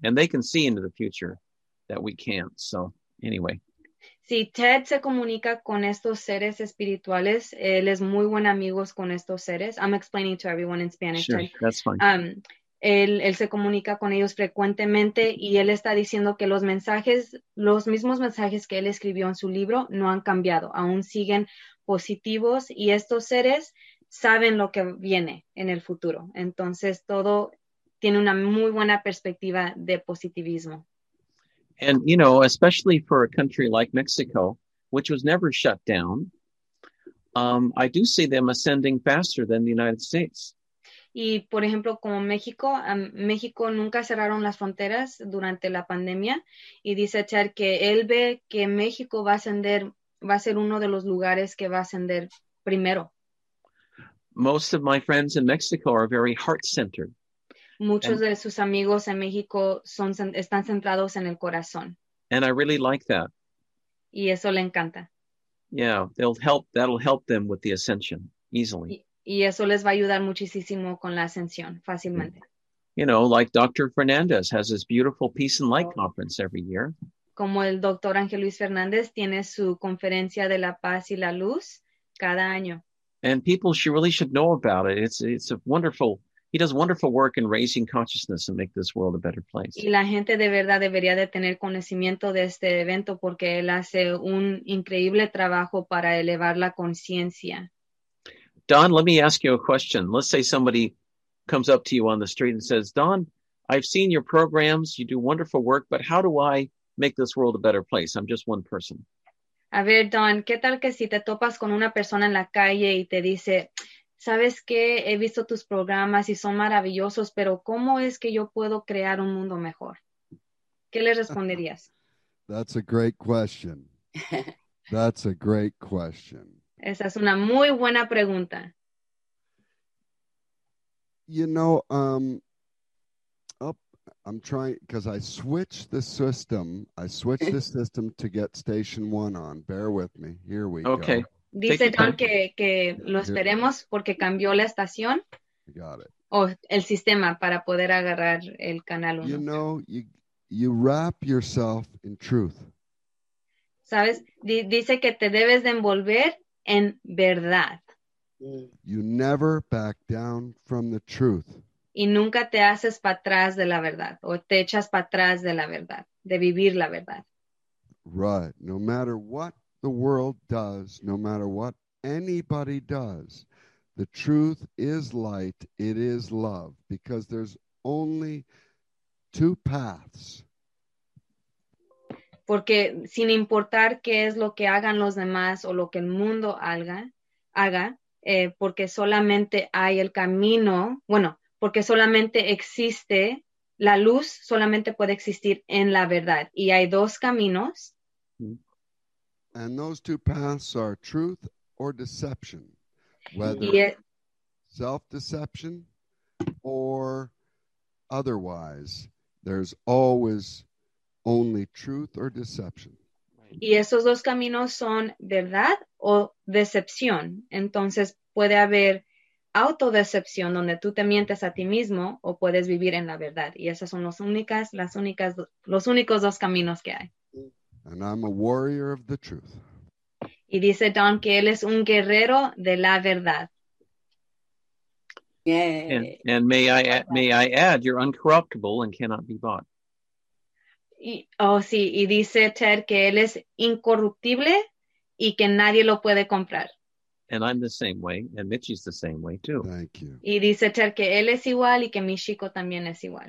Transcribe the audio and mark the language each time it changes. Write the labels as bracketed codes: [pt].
[en] And they can see into the future that we can't. So anyway. [es] Si Ted se comunica con estos seres espirituales, él es muy buen amigo con estos seres. [en] I'm explaining to everyone in Spanish. Sure, Ted. That's fine. [es] Él se comunica con ellos frecuentemente y él está diciendo que los mensajes, los mismos mensajes que él escribió en su libro, no han cambiado. Aún siguen positivos y estos seres saben lo que viene en el futuro. Entonces, todo tiene una muy buena perspectiva de positivismo. [en] And, you know, especially for a country like Mexico, which was never shut down, I do see them ascending faster than the United States. [es] Y, por ejemplo, como México, México nunca cerraron las fronteras durante la pandemia. Y dice Char que él ve que México va a ascender, va a ser uno de los lugares que va a ascender primero. [en] Most of my friends in Mexico are very heart-centered. [es] Muchos de sus amigos en México están centrados en el corazón. [en] And I really like that. [es] Y eso le encanta. [en] Yeah, that'll help them with the ascension easily. [es] Y eso les va a ayudar muchísimo con la ascensión fácilmente. [en] You know, like Dr. Fernandez has his beautiful Peace and Light conference every year. [es] Como el Dr. Ángel Luis Fernández tiene su conferencia de la paz y la luz cada año. [en] And people really should know about it. It's a wonderful. He does wonderful work in raising consciousness and make this world a better place. [es] Y la gente de verdad debería de tener conocimiento de este evento porque él hace un increíble trabajo para elevar la conciencia. [en] Don, let me ask you a question. Let's say somebody comes up to you on the street and says, Don, I've seen your programs, you do wonderful work, but how do I make this world a better place? I'm just one person. [es] A ver, Don, ¿qué tal que si te topas con una persona en la calle y te dice, ¿sabes qué? He visto tus programas y son maravillosos, pero ¿cómo es que yo puedo crear un mundo mejor? ¿Qué le responderías? [en] That's a great question. That's a great question. [es] Esa es una muy buena pregunta. [en] You know, I'm trying, because I switched the system to get station one on. Bear with me. Here we go. Okay. [es] Dice Don que lo esperemos porque cambió la estación o el sistema para poder agarrar el canal 1. [en] You know, you wrap yourself in truth. [es] ¿Sabes? Dice que te debes de envolver en verdad. [en] You never back down from the truth. [es] Y nunca te haces para atrás de la verdad o te echas para atrás de la verdad, de vivir la verdad. [en] Right. No matter what the world does, no matter what anybody does, The truth is light. It is love. Because there's only two paths. [es] Porque sin importar qué es lo que hagan los demás o lo que el mundo haga, porque solamente hay el camino, bueno, porque solamente existe la luz, solamente puede existir en la verdad. Y hay dos caminos. [en] And those two paths are truth or deception. Whether self-deception or otherwise, there's always only truth or deception. [es] Y esos dos caminos son verdad o decepción. Entonces puede haber autodecepción donde tú te mientes a ti mismo o puedes vivir en la verdad. Y esas son los únicos dos caminos que hay. [en] And I'm a warrior of the truth. [es] Y dice Don que él es un guerrero de la verdad. [en] And may I add, you're uncorruptible and cannot be bought. [es] Y dice Ted que él es incorruptible y que nadie lo puede comprar. [en] And I'm the same way, and Mitchie's the same way too. Thank you. [es] Y dice Ted que él es igual y que mi chico también es igual.